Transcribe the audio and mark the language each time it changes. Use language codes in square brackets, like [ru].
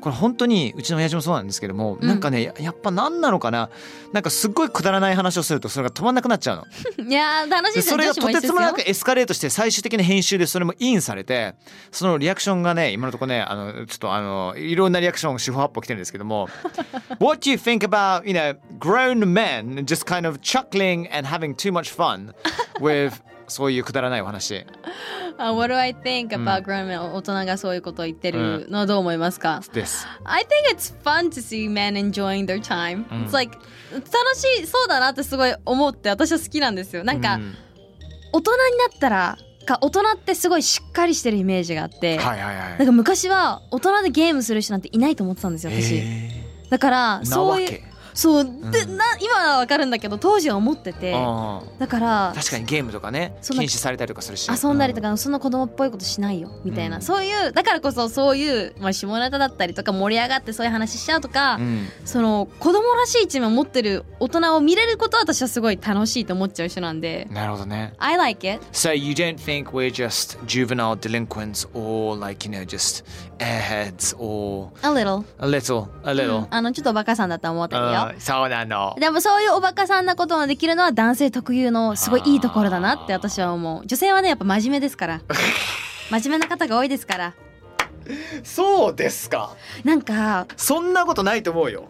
[ja] これ本当にうちの親父もそうなんですけども、うん、なんかね やっぱ何なのかな、なんかすっごいくだらない話をするとそれが止まんなくなっちゃうの。いやー楽しいですよ。それがとてつもなくエスカレートして最終的な編集でそれもインされて、そのリアクションがね今のところね、あのちょっとあのいろんなリアクションが四方八方来てるんですけども。 [en] What do you think about, you know, grown men just kind of chuckling and having too much fun with [ja] そういうくだらないお話。 [en] What do I think about grown men? [ja] 大人がそういうことを言ってるのどう思いますか？です。 [en] I think it's fun to see men enjoying their time. It's like [ja] 楽しそうだなってすごい思って私は好きなんですよ。なんか大人になったら大人ってすごいしっかりしてるイメージがあって、はいはいはい、なんか昔は大人でゲームする人なんていないと思ってたんですよ私。だからそういう。そう、で、な、今は分かるんだけど当時は思ってて、だから確かにゲームとかね禁止されたりとかするし、遊んだりとか、そんな子供っぽいことしないよみたいな、そういうだからこそそういう、まあ、下ネタだったりとか盛り上がってそういう話しちゃうとか、その子供らしい一面を持ってる大人を見れることは私はすごい楽しいと思っちゃう人なんで。なるほどね。 [en] I like it. So you don't think we're just juvenile delinquents or like you know just airheads or A little、 [ja] あのちょっとバカさんだと思ってるよ。そうなの。でもそういうおバカさんなことができるのは男性特有のすごいいいところだなって私は思う。女性はねやっぱ真面目ですから。真面目な方が多いですから。そうですか。なんかそんなことないと思うよ。